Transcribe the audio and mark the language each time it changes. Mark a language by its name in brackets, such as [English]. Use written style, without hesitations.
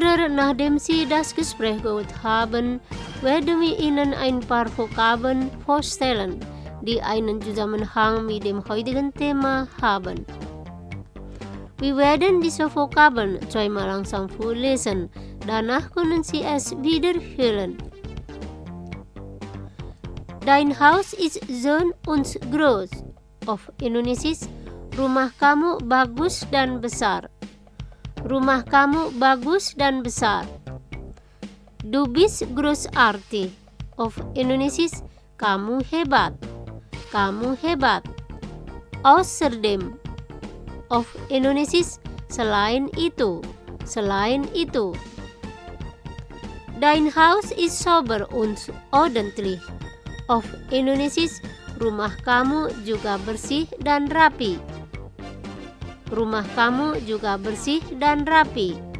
[German] Nach dem Sie das Gespräch gehört haben, werden wir Ihnen ein paar Vokabeln vorstellen, die einen Zusammenhang mit dem heutigen Thema haben. Wir werden diese Vokabeln zweimal langsam vorlesen, danach können Sie es wiederholen. Dein Haus ist schön und groß. Auf Indonesisch, [Indonesian] rumah kamu bagus dan besar. Rumah kamu bagus dan besar. [German] Du bist großartig. Of Indonesis, [Indonesian] kamu hebat. Kamu hebat. [German] Außerdem. Of Indonesis, [Indonesian] selain itu. Selain itu. [German] Dein Haus ist sauber und ordentlich. Of Indonesis, [Indonesian] rumah kamu juga bersih dan rapi. Rumah kamu juga bersih dan rapi.